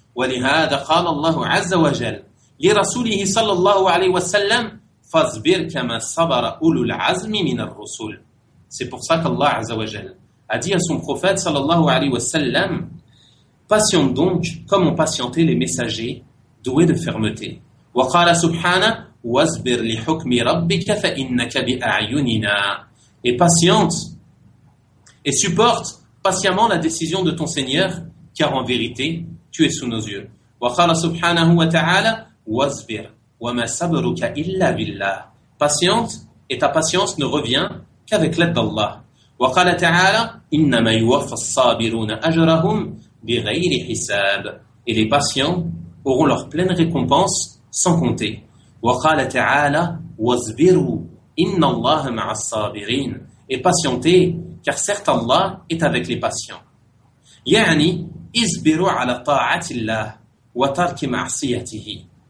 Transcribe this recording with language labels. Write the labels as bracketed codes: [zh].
[fr] C'est pour ça qu'Allah [ar] azza wa jal [fr] a dit à son prophète [ar] sallallahu alayhi wa sallam, [fr] patiente donc comme ont patienté les messagers doués de fermeté. [ar] وقال سبحانه واصبر لحكم ربك فإنك بأعيننا. [fr] Et patiente et supporte patiemment la décision de ton Seigneur, car en vérité tu es sous nos yeux. [ar] وقال سبحانه وتعالى واصبر وما صبرك إلا بالله. [fr] Patiente et ta patience ne revient qu'avec l'aide d'Allah. [ar] وقال تعالى إنما يوفى الصابرون أجرهم بغير حساب. [fr] Et les patients auront leur pleine récompense sans compter. [ar] وقال تعالى واصبروا Inna Allah ma'a as-sabirin, [fr] et patientez, car certes Allah est avec les patients. [ar] Yani isbiru ala ta'ati Allah wa tarki ma'siyatihi.